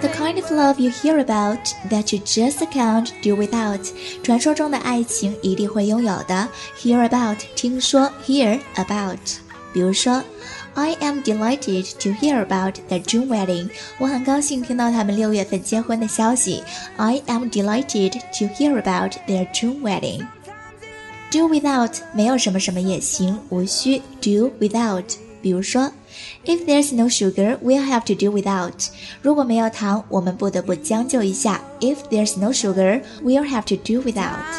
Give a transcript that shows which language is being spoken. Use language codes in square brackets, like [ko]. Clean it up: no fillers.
[en] Kind of love you hear about that you just can't do without [zh] 传说中的爱情一定会拥有的 [en] hear about 听说 hear about 比如说 I am delighted to hear about the June wedding [zh] 我很高兴听到他们六月份结婚的消息 [en] I am delighted to hear about their June wedding do without [zh] 没有什么什么也行无需 [en] do without 比如说If there's no sugar, we'll have to do without. [zh] 如果没有糖，我们不得不将就一下。 [en] If there's no sugar, we'll have to do without.